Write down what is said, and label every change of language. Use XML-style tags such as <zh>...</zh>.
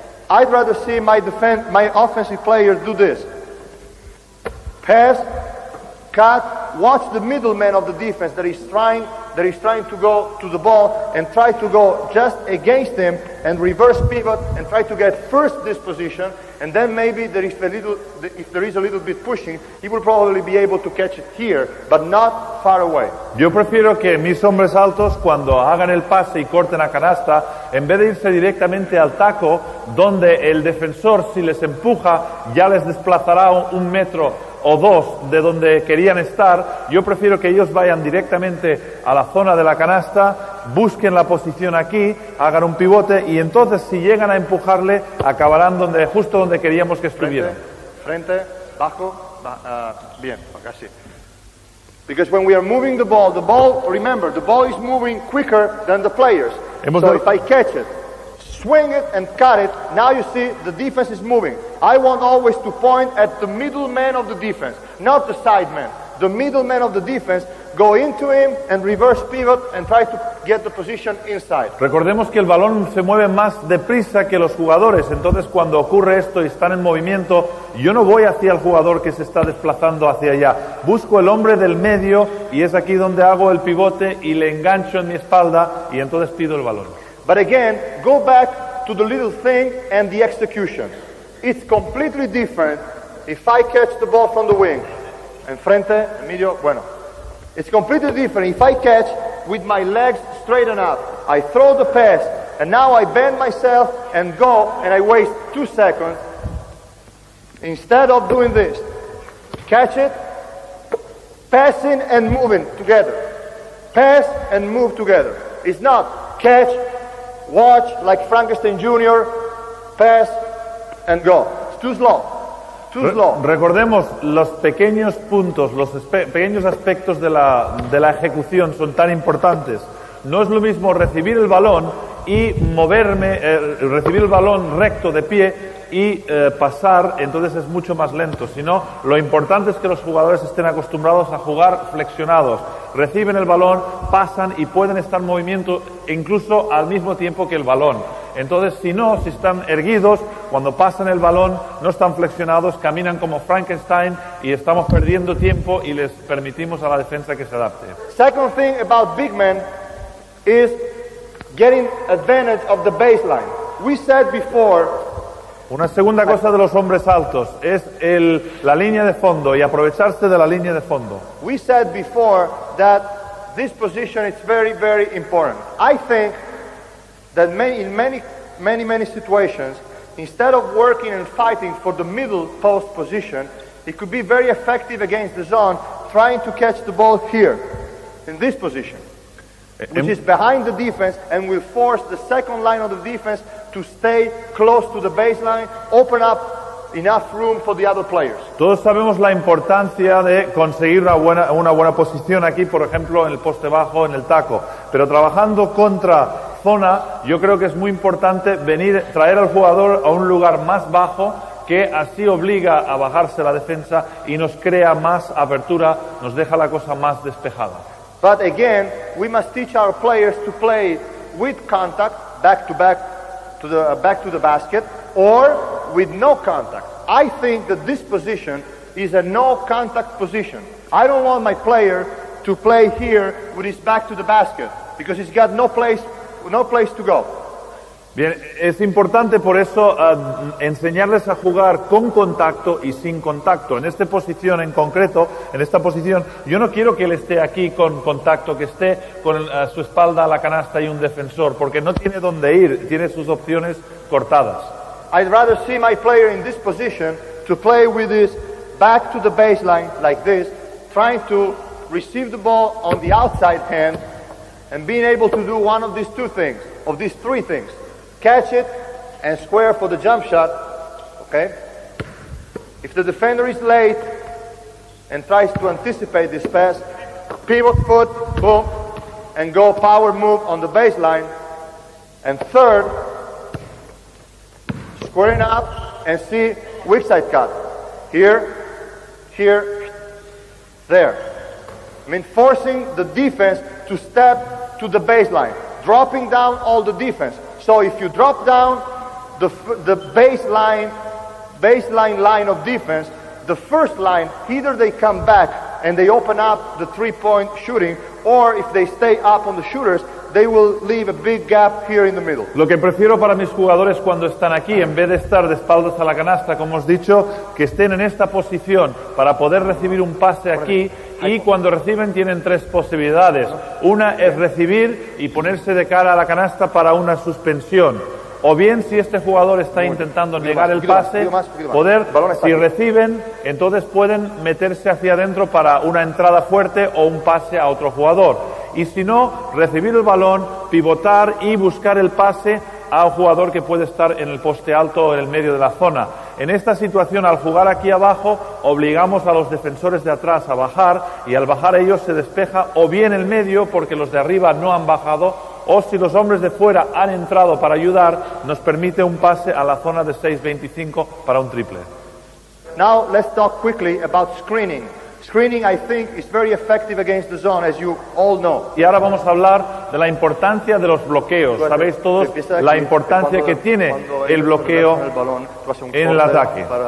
<en>I'd rather see my offensive player do this. Pass, cut, watch the middleman of the defense that is trying to go to the ball and try to go just against him and reverse pivot and try to get first this position, and then maybe if there is a little bit pushing, he will probably be able to catch it here, but not far away.</en> <es>Yo prefiero que mis hombres altos, cuando hagan el pase y corten a canasta, en vez de irse directamente al taco, donde el defensor, si les empuja, ya les desplazará un metro o dos de donde querían estar, yo prefiero que ellos vayan directamente a la zona de la canasta, busquen la posición aquí, hagan un pivote, y entonces si llegan a empujarle, acabarán justo donde queríamos que estuvieran. Frente, bajo, bien, casi.</es> <en>Because when we are moving the ball, remember, the ball is moving quicker than the players. If I catch it, swing it and cut it, now you see the defense is moving. I want always to point at the middle man of the defense, not the side man. The middle man of the defense, go into him and reverse pivot and try to get the position inside.</en> <es>Recordemos que el balón se mueve más deprisa que los jugadores. Entonces, cuando ocurre esto y están en movimiento, yo no voy hacia el jugador que se está desplazando hacia allá. Busco el hombre del medio y es aquí donde hago el pivote y le engancho en mi espalda y entonces pido el balón.</es> <en>But again, go back to the little thing and the execution. It's completely different if I catch the ball from the wing.</en> <es>Enfrente, en medio, bueno.</es> <en>It's completely different if I catch with my legs straightened up. I throw the pass, and now I bend myself and go, and I waste 2 seconds. Instead of doing this, catch it, passing and moving together. Pass and move together. It's not catch, watch, like Frankenstein Jr., pass and go. It's too slow.</en> <es>Recordemos, los pequeños puntos, los pequeños aspectos de la ejecución son tan importantes. No es lo mismo recibir el balón y moverme, recibir el balón recto de pie y pasar, entonces es mucho más lento. Sino, lo importante es que los jugadores estén acostumbrados a jugar flexionados. Reciben el balón, pasan y pueden estar en movimiento incluso al mismo tiempo que el balón. Entonces, si están erguidos, cuando pasan el balón, no están flexionados, caminan como Frankenstein y estamos perdiendo tiempo y les permitimos a la defensa que se adapte.</es> <en>Second thing about big men is getting advantage of the baseline. We said before.</en> <es>Una segunda cosa de los hombres altos es la línea de fondo y aprovecharse de la línea de fondo.</es> <en>We said before that this position is very, very important. I think that in many situations, instead of working and fighting for the middle post position, it could be very effective against the zone, trying to catch the ball here, in this position, which is behind the defense and will force the second line of the defense to stay close to the baseline, open up enough room for the other players.</en> <es>Todos sabemos la importancia de conseguir una buena posición aquí, por ejemplo, en el poste bajo, en el taco. Pero trabajando contra zona, yo creo que es muy importante traer al jugador a un lugar más bajo, que así obliga a bajarse la defensa y nos crea más apertura, nos deja la cosa más despejada.</es> <en>But again, we must teach our players to play with contact back to back to the back to the basket or with no contact. I think that this position is a no contact position. I don't want my player to play here with his back to the basket because he's got no place to go.</en> <es>Bien, es importante por eso enseñarles a jugar con contacto y sin contacto. En esta posición en concreto, en esta posición, yo no quiero que él esté aquí con contacto, que esté con su espalda a la canasta y un defensor, porque no tiene dónde ir, tiene sus opciones cortadas.</es> <en>I'd rather see my player in this position to play with his back to the baseline like this, trying to receive the ball on the outside hand and being able to do one of these two things, of these three things. Catch it and square for the jump shot, okay? If the defender is late and tries to anticipate this pass, pivot foot, boom, and go power move on the baseline. And third, squaring up and see weak side cut. Here, here, there. I mean, forcing the defense to step to the baseline, dropping down all the defense. So if you drop down the baseline line of defense, the first line, either they come back and they open up the three-point shooting, or if they stay up on the shooters, they will leave a big gap here in the middle.</en> <es>Lo que prefiero para mis jugadores cuando están aquí, en vez de estar de espaldas a la canasta, como os he dicho, que estén en esta posición para poder recibir un pase aquí, y cuando reciben tienen tres posibilidades. Una es recibir y ponerse de cara a la canasta para una suspensión. O bien, si este jugador está intentando negar el pase, poder, si reciben, entonces pueden meterse hacia adentro para una entrada fuerte o un pase a otro jugador. Y si no, recibir el balón, pivotar y buscar el pase a un jugador que puede estar en el poste alto o en el medio de la zona. En esta situación, al jugar aquí abajo, obligamos a los defensores de atrás a bajar y al bajar ellos se despeja o bien el medio porque los de arriba no han bajado o si los hombres de fuera han entrado para ayudar, nos permite un pase a la zona de 6-25 para un triple.</es> <en>Now let's talk quickly about screening. Screening, I think, is very effective against the zone, as you all know.</en> <es>Y ahora vamos a hablar de la importancia de los bloqueos. Sabéis todos la importancia que tiene el bloqueo en el ataque.</es>